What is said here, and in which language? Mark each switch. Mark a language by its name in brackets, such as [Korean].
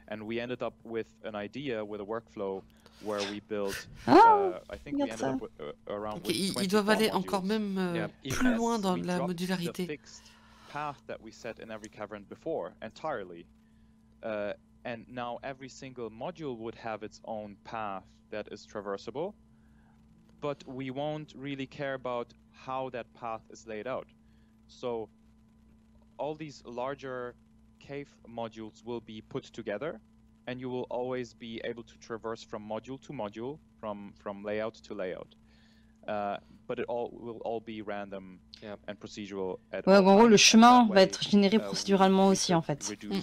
[English] And we ended up with an idea with a workflow where we built. [French] Ils doivent aller encore même plus loin dans la modularité. [English] Path that we set in every cavern before entirely, and now every single module would have its own path that is traversable, but we won't really care about how that path is laid out. So all these larger cave modules will be put together, and you will always be able to traverse from module to module, from layout to layout. But it all will all be random and procedural. [French] Ouais, en gros, le chemin va être généré procéduralement aussi, en fait.